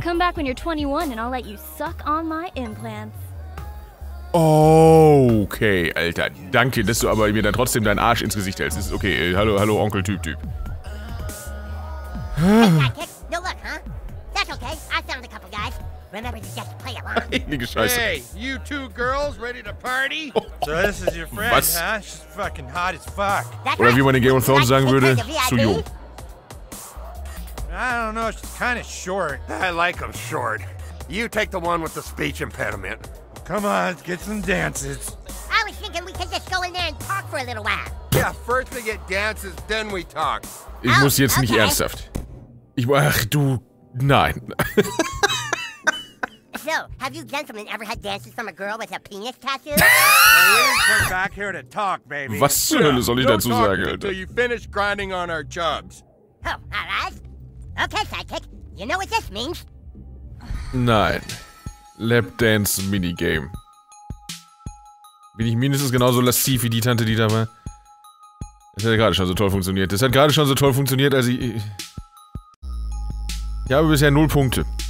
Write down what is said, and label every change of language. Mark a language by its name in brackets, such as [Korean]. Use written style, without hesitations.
[English] Come back when you're 21 and I'll let you suck on my implants. [German] Okay, Alter. Danke, dass du aber mir dann trotzdem deinen Arsch ins Gesicht hältst. Ist okay. Hallo, Onkel Typ. [English] Hey, Sidekick. No luck, huh? That's okay. I found a couple guys. [German] Heilige Scheiße. [English] Hey, you two girls ready to party? So this is your friend, [German] was? [English] Huh? She's fucking hot as fuck. [German] Oder wie man in Game of Thrones sagen würde, zu jung. [English] I don't know, she's kind of short. I like them short. You take the one with the speech impediment. Come on, let's get some dances. I was thinking we could just go in there and talk for a little while. Yeah, first we get dances, then we talk. [German] Ich muss jetzt nicht ernsthaft. Ach du, nein. [English] So, have you gentlemen ever had dances from a girl with a penis tattoo? Come back here to talk, baby. [German] Was zur Hölle soll ich dazu sagen, Alter? [English] Until you finish grinding on our chubs. Oh, all right. Okay, Sidekick. You know what this means? [German] Nein. Lap Dance Minigame. Bin ich mindestens genauso lasziv wie die Tante, die da war? Das hat gerade schon so toll funktioniert, als ich habe bisher 0 Punkte.